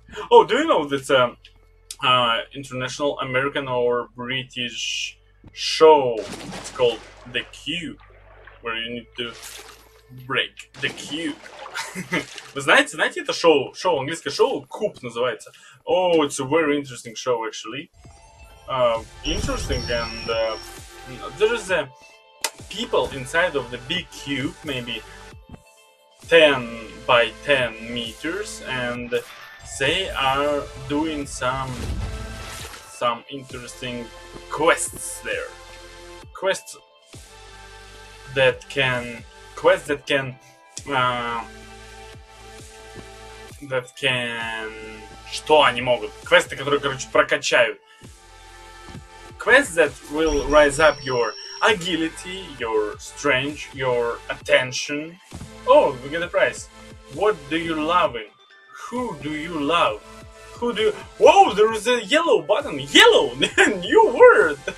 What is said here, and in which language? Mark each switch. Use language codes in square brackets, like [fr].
[en] Oh, do you know that's an international American or British show? It's called The Cube, where you need to break the cube. [ru] Вы знаете это шоу, английское шоу, Куб называется. [en] Oh, it's a very interesting show, actually. Interesting, and there is a people inside of the big cube, maybe 10 by 10 meters, and they are doing some interesting quests there. [ru] Квесты, которые, короче, прокачают. [en] Квесты, that will rise up your agility, your strength, your attention. Oh, we get a prize. What do you love? Who do you love? Whoa, there is a yellow button. Yellow, new word.